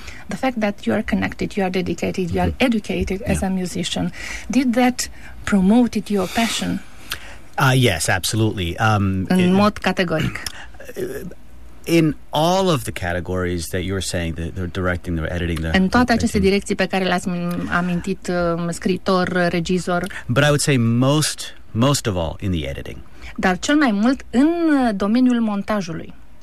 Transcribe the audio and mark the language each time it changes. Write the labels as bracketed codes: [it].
[en] The fact that you are connected, you are dedicated, you are educated as a musician, did that promote your passion? Yes, absolutely. [ro] În mod categoric. [en] In all of the categories that you're saying, the directing, the editing, [ro] în toate aceste direcții pe care le-ați amintit, scriitor, regizor. [en] But I would say most of all in the editing. [ro] Dar cel mai mult în domeniul montajului.